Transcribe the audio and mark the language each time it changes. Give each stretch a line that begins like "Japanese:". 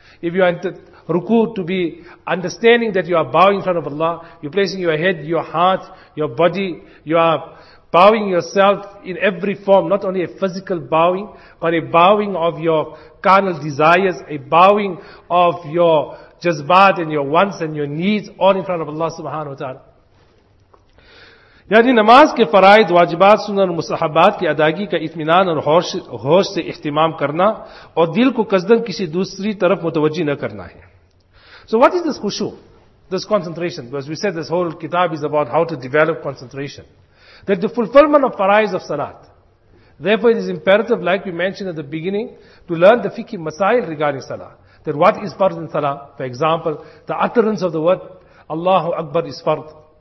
English: If you are into ruku, to be understanding that you are bowing in front of Allah, you're placing your head, your heart, your body, you are bowing yourself in every form, not only a physical bowing, but a bowing of your carnal desires, a bowing of your jazbat and your wants and your needs, all in front of Allah subhanahu wa ta'ala.
Urdu: یعنی نماز کے فرائض واجبات سنن اور مستحبات کی ادائیگی کا اطمینان اور ہوش سے اہتمام کرنا اور دل کو قصدن کسی دوسری طرف متوجہ نہ کرنا ہے.
English: So what is this khushu, this concentration? Because we said this whole kitab is about how to develop concentration. That the fulfillment of faraiz of salat, Therefore, it is imperative, like we mentioned at the beginning, to learn the fiqh masail regarding salah. That what is fard in salah? For example, the utterance of the word Allahu Akbar is fard.